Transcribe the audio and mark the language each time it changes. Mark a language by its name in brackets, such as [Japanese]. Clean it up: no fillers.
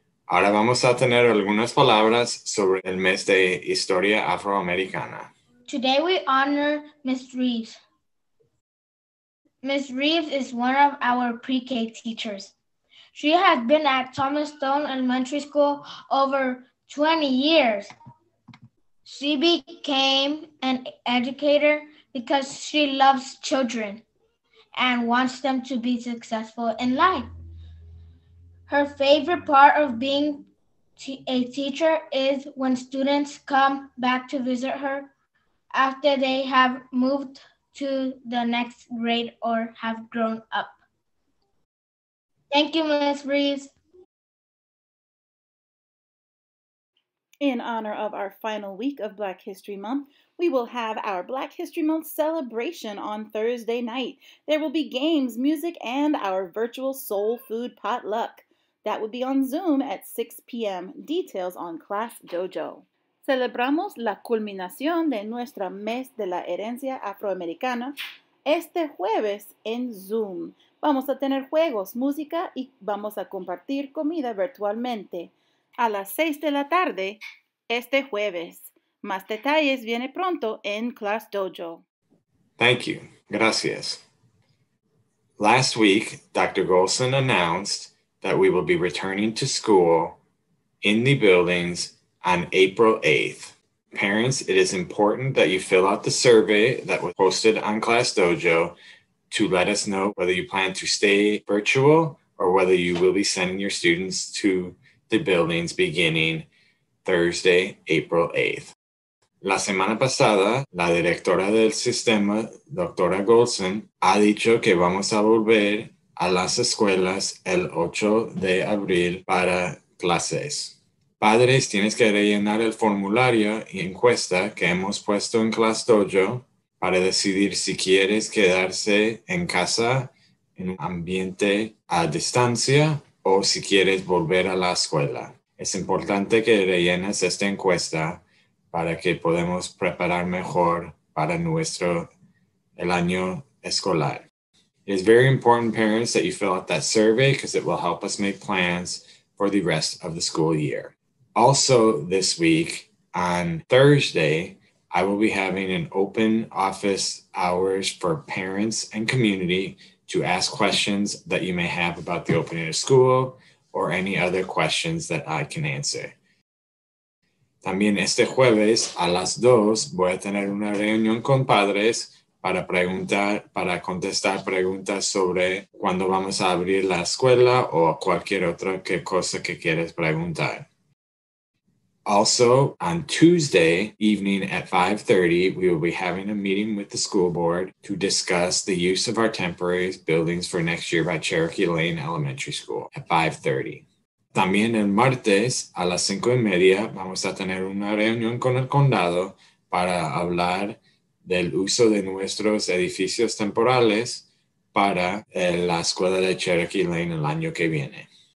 [Spanish] Ahora vamos a tener algunas palabras sobre el mes de Historia Afroamericana. [English] Today we honor Ms. Reeves. Ms. Reeves is one of our pre-K teachers. She has been at Thomas Stone Elementary School over 20 years. She became an educator because she loves children and wants them to be successful in life. Her favorite part of being a teacher is when students come back to visit her after they have moved to the next grade or have grown up. Thank you, Ms. Reeves. In honor of our final week of Black History Month, we will have our Black History Month celebration on Thursday night. There will be games, music, and our virtual soul food potluck. That would be on Zoom at 6 p.m. Details on Class Dojo. [Spanish] Celebramos la culminación de nuestro mes de la herencia afroamericana este jueves en Zoom. Vamos a tener juegos, música y vamos a compartir comida virtualmente a las 6 de la tarde este jueves. Más detalles viene pronto en Class Dojo. [English] Thank you. [Spanish] Gracias. [English] Last week, Dr. Golson announced that we will be returning to school in the buildings on April 8th. Parents, it is important that you fill out the survey that was posted on Class Dojo to let us know whether you plan to stay virtual or whether you will be sending your students to the buildings beginning Thursday, April 8th. [Spanish] La semana pasada, la directora del sistema, Dra. Golson, ha dicho que vamos a volver a las escuelas el 8 de abril para clases. Padres, tienes que rellenar el formulario y encuesta que hemos puesto en Class Dojo para decidir si quieres quedarse en casa en un ambiente a distancia o si quieres volver a la escuela. Es importante que rellenes esta encuesta para que podamos preparar mejor para el año escolar. [English] It is very important, parents, that you fill out that survey because it will help us make plans for the rest of the school year. Also, this week, on Thursday, I will be having an open office hours for parents and community to ask questions that you may have about the opening of school or any other questions that I can answer. [Spanish] También este jueves, a las 2, voy a tener una reunión con padres para contestar preguntas sobre cuándo vamos a abrir la escuela o cualquier otra cosa que quieras preguntar. [English] Also, on Tuesday evening at 5:30, we will be having a meeting with the school board to discuss the use of our temporary buildings for next year by Cherokee Lane Elementary School at 5:30. [Spanish] También el martes a las 5:30, vamos a tener una reunión con el condado para hablar del uso de nuestros edificios temporales para la escuela de Cherokee Lane el año que viene.